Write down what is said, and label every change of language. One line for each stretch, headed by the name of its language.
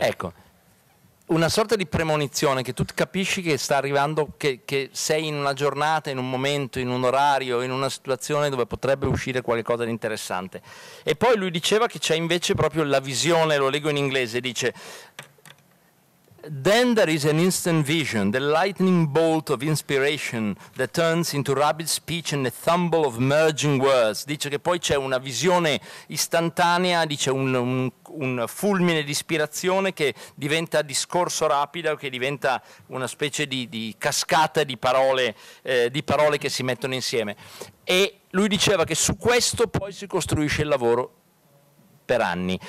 Italian: Ecco, una sorta di premonizione che tu capisci che sta arrivando, che sei in una giornata, in un momento, in un orario, in una situazione dove potrebbe uscire qualcosa di interessante. E poi lui diceva che c'è invece proprio la visione, lo leggo in inglese, dice...
English: Then there is an instant vision, the lightning bolt of inspiration that turns into rapid speech and a thumble of merging words.
Italian: Dice che poi c'è una visione istantanea, dice un fulmine di ispirazione che diventa discorso rapido, che diventa una specie di cascata di parole che si mettono insieme. E lui diceva che su questo poi si costruisce il lavoro per anni.